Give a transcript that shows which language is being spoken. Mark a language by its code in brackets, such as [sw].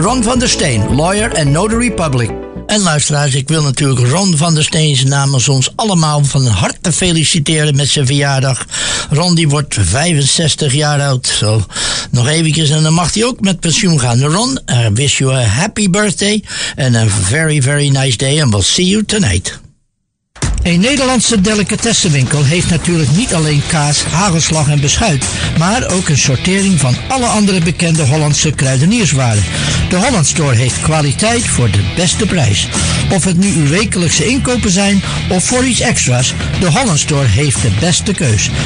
[en] Ron van der Steen, lawyer and notary public. [nl] En luisteraars, ik wil natuurlijk Ron van der Steen namens ons allemaal van harte feliciteren met zijn verjaardag. Ron die wordt 65 jaar oud. Zo, nog eventjes en dan mag hij ook met pensioen gaan. [en] Ron, I wish you a happy birthday and a very, very nice day and we'll see you tonight. [nl] Een Nederlandse delicatessenwinkel heeft natuurlijk niet alleen kaas, hagelslag en beschuit, maar ook een sortering van alle andere bekende Hollandse kruidenierswaren. De Holland Store heeft kwaliteit voor de beste prijs. Of het nu uw wekelijkse inkopen zijn of voor iets extra's, de Holland Store heeft de beste keus.